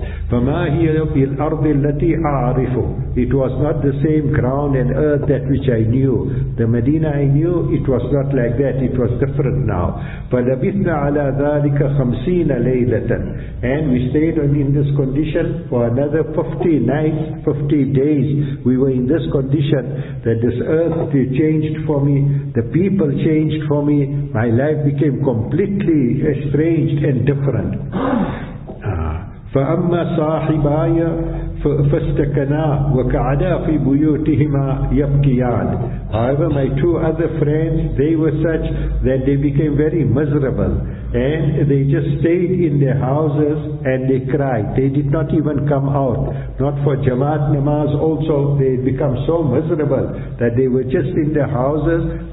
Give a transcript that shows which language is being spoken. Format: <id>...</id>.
<ar>فما هي في الأرض التي أعرفه.</ar> <en>It was not the same ground and earth that which I knew. The Medina I knew, it was not like that. It was different now.</en> <ar>فلبثنا على ذلك 50 ليلة.</ar> <en>And we stayed in this condition for another 50 nights, 50 days. We were in this condition that this earth changed for me, the people changed for me, my life became completely estranged and different.</en> <ar>فأما صاحباي فاستكنا وكعدا في بيوتهما يبكيان.</ar> <en>However, my two other friends, they were such that they became very miserable and they just stayed in their houses and they cried. They did not even come out. Not for Jamaat Namaz also, they become so miserable that they were just in their houses.</en>